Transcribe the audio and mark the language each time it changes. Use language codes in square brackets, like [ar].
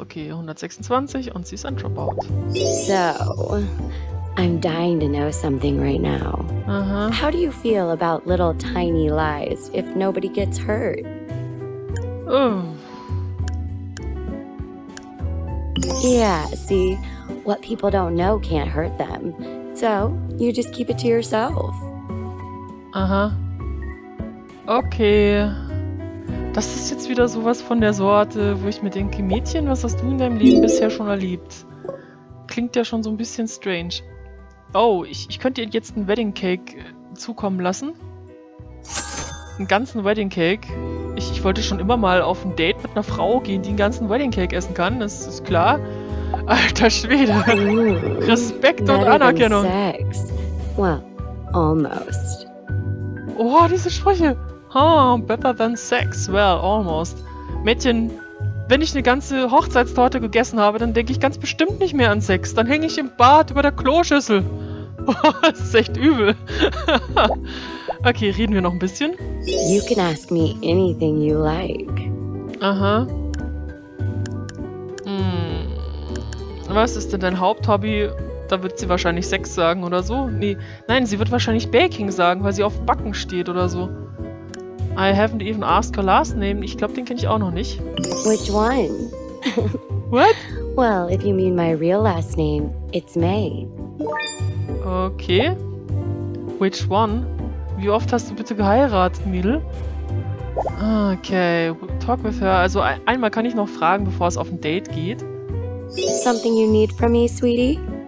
[de] Okay, 126 und sie ist ein Dropout. [en] So, I'm dying to know something right now. Uh-huh. How do you feel about little tiny lies if nobody gets hurt? Oh. Yeah, see, what people don't know can't hurt them. So, you just keep it to yourself. Uh-huh. Okay. [de] Das ist jetzt wieder sowas von der Sorte, wo ich mir denke, Mädchen, was hast du in deinem Leben bisher schon erlebt? Klingt ja schon so ein bisschen strange. Oh, ich könnte dir jetzt einen Wedding Cake zukommen lassen. Einen ganzen Wedding Cake. Ich wollte schon immer mal auf ein Date mit einer Frau gehen, die einen ganzen Wedding Cake essen kann. Das ist klar. Alter Schwede. Respekt und Anerkennung. Sex. [en] Well, almost. [de] Oh, diese Sprüche. [en] Oh, better than sex. Well, almost. [de] Mädchen, wenn ich eine ganze Hochzeitstorte gegessen habe, dann denke ich ganz bestimmt nicht mehr an Sex. Dann hänge ich im Bad über der Kloschüssel. Oh, das ist echt übel. Okay, reden wir noch ein bisschen. [en] You can ask me anything you like. Aha. [de] Was ist denn dein Haupthobby? Da wird sie wahrscheinlich Sex sagen oder so. Nee, nein, sie wird wahrscheinlich Baking sagen, weil sie auf Backen steht oder so. [en] I haven't even asked her last name. [de] Ich glaube, den kenne ich auch noch nicht. [en] Which one? What? Well, if you mean my real last name, it's May. Okay. Which one? [de] Wie oft hast du bitte geheiratet, Mädel? [en] Okay, talk with her. [de] Also einmal kann ich noch fragen, bevor es auf ein Date geht. [en] Something you need from me, sweetie?